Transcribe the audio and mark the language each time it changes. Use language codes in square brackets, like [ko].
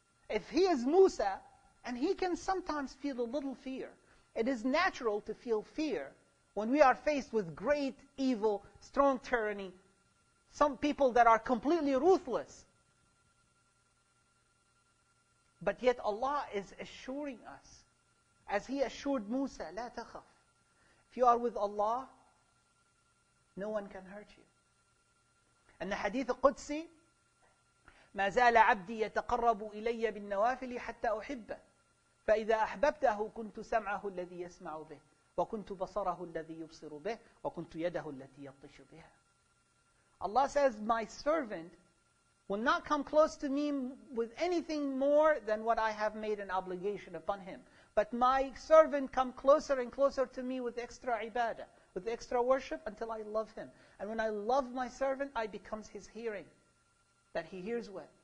[en] If he is Musa, and he can sometimes feel a little fear, it is natural to feel fear when we are faced with great evil, strong tyranny, some people that are completely ruthless. But yet Allah is assuring us, as He assured Musa, [ar] لا تخف. [en] If you are with Allah, no one can hurt you. And the hadith Qudsi, [ar] ما زال عبدي يتقرب إلي بالنوافل حتى أحبه. فإذا أحببته كنت سمعه الذي يسمع به وكنت بصره الذي يبصر به وكنت يده التي يبطش بها. [en] Allah says, my servant will not come close to me with anything more than what I have made an obligation upon him. But my servant come closer and closer to me with extra ibadah, with extra worship until I love him. And when I love my servant, I become his hearing that he hears with.